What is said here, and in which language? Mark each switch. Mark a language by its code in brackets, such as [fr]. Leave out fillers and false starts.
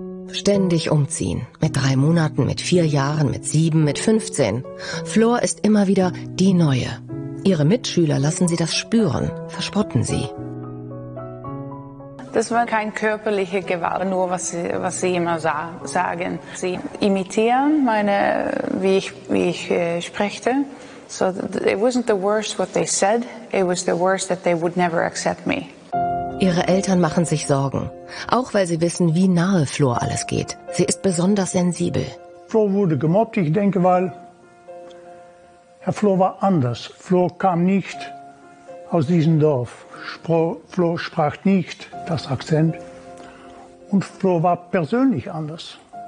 [de] Ständig umziehen. Mit 3 Monaten, mit 4 Jahren, mit 7, mit 15. Flor ist immer wieder die Neue. Ihre Mitschüler lassen sie das spüren, verspotten sie. Das war kein körperliche Gewalt, nur was sie immer sagen. Sie imitieren meine, wie ich spreche. [en] So, it wasn't the worst what they said, it was the worst that they would never accept me. [de] Ihre Eltern machen sich Sorgen, auch weil sie wissen, wie nahe Flor alles geht. Sie ist besonders sensibel. Flor wurde gemobbt, ich denke, weil Herr Flor war anders. Flor kam nicht aus diesem Dorf. Flor sprach nicht das Akzent und Flor war persönlich anders.